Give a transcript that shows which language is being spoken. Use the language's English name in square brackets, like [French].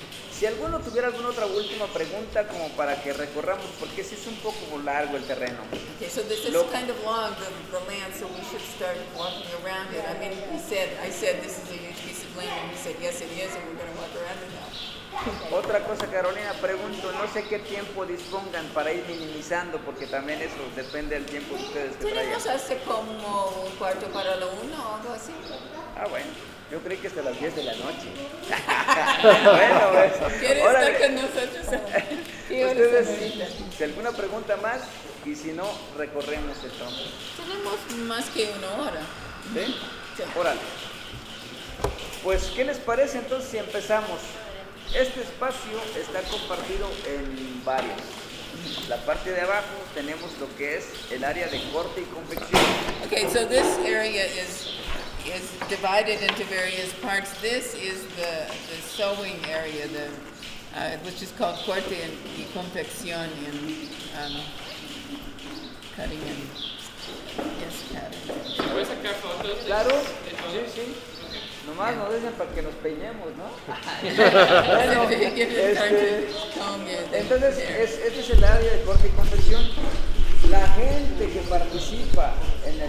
[Spanish] Si alguno tuviera alguna otra última pregunta como para que recorramos, porque sí es un poco largo el terreno. [English] Okay, so this is lo, kind of long, the land, so we should start walking around it. I mean, I said this is a huge piece of land, and he said, yes, it is, and we're going to walk around it now. [Spanish] Otra cosa, Carolina, pregunto, no sé qué tiempo dispongan para ir minimizando, porque también eso depende del tiempo de ustedes que traigan. Tenemos hace como un cuarto para la una o algo así. Ah, bueno. Yo creí que hasta las 10 de la noche. Bueno, pues. ¿Quieres órale. Estar con nosotros? Ustedes, si alguna pregunta más, y si no, recorremos el tronco. Tenemos más que una hora. ¿Sí? Sí. Órale. Pues, ¿qué les parece entonces si empezamos? Este espacio está compartido en varios. La parte de abajo tenemos lo que es el área de corte y confección. [English] Okay, so this area is divided into various parts. This is the sewing area, which is called corte y confección in cutting and yes, pattern. [Spanish] ¿Puedes sacar fotos? Claro, sí, sí. Nomás yeah. No dicen para que nos peinemos, ¿no? Bueno, entonces, este es el área de corte y confección. La gente que participa en el